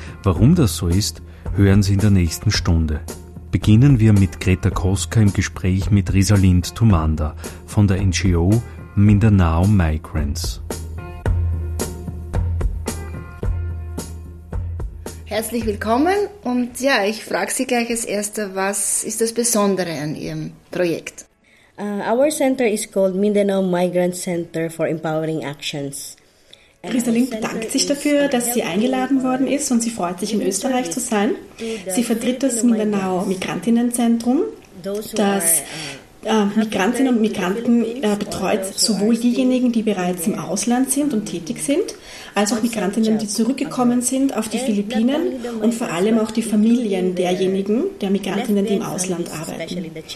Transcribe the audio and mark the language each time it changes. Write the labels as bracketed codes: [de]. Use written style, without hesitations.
[de] Warum das so ist, hören Sie in der nächsten Stunde. Beginnen wir mit Greta Koska im Gespräch mit Resalind Tumanda von der NGO Mindanao Migrants. Herzlich willkommen und ja, ich frage Sie gleich als Erster, was ist das Besondere an Ihrem Projekt? [en] Our center is called Mindanao Migrant Center for Empowering Actions. [de] Resalind bedankt sich dafür, dass sie eingeladen worden ist und sie freut sich, in Österreich zu sein. Sie vertritt das Mindanao Migrantinnenzentrum, das Migrantinnen und Migranten betreut, sowohl diejenigen, die bereits im Ausland sind und tätig sind, als auch Migrantinnen, die zurückgekommen sind auf die Philippinen und vor allem auch die Familien derjenigen, der Migrantinnen, die im Ausland arbeiten.